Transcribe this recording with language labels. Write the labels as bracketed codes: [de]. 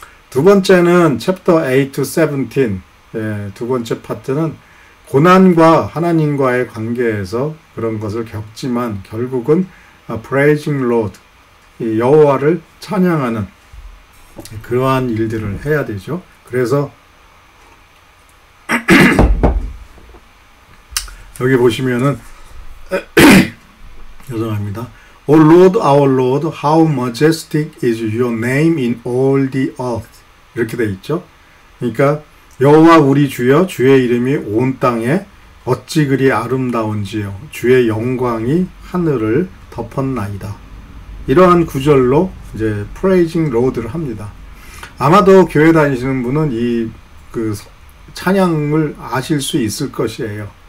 [ko] 두 번째는 챕터 8 to 17, 예, 두 번째 파트는 고난과 하나님과의 관계에서 그런 것을 겪지만 결국은 [en] praising Lord, [ko] 여호와를 찬양하는 그러한 일들을 해야 되죠. 그래서 여기 보시면은 죄송합니다. [en] O Lord, our Lord, how majestic is your name in all the earth. [ko] 이렇게 돼 있죠. 그러니까 여호와 우리 주여 주의 이름이 온 땅에 어찌 그리 아름다운지요. 주의 영광이 하늘을 덮었나이다. 이러한 구절로 이제 praising Lord를 합니다. 아마도 교회 다니시는 분은 이 그 찬양을 아실 수 있을 것이에요.